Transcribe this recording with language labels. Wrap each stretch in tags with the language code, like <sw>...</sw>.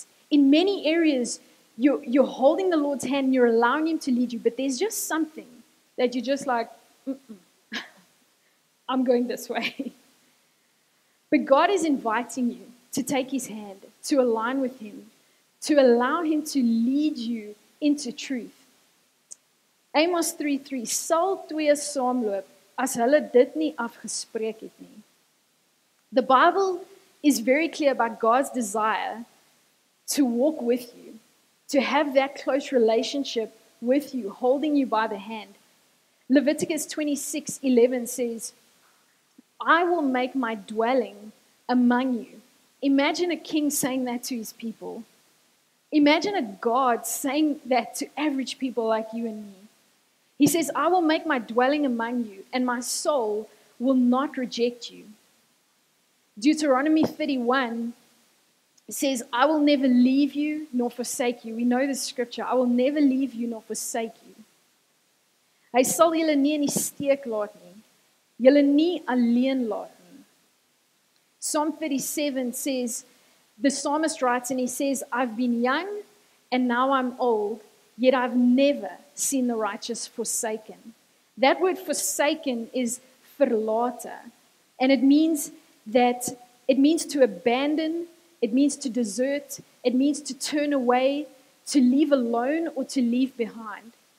<en>In many areas, you're holding the Lord's hand and you're allowing him to lead you, but there's just something that you're just like, I'm going this way. But God is inviting you. to take his hand, to align with him, to allow him to lead you into truth.</en> <af>Amos 3:3, sal twee saamloop as hulle dit nie afgespreek het nie.</af> <en>The Bible is very clear about God's desire to walk with you, to have that close relationship with you, holding you by the hand. Leviticus 26:11 says, I will make my dwelling among you. Imagine a king saying that to his people. Imagine a God saying that to average people like you and me. He says, I will make my dwelling among you, and my soul will not reject you. Deuteronomy 31 says, I will never leave you nor forsake you. We know this scripture. I will never leave you nor forsake you.</en> <af>Hy sal julle nie in die steek laat nie. Julle nie alleen laat nie.</af> <en>Psalm 37 says, the psalmist writes and he says, I've been young and now I'm old, yet I've never seen the righteous forsaken. That word forsaken is verlate. And it means to abandon, it means to desert, it means to turn away, to leave alone or to leave behind.</en>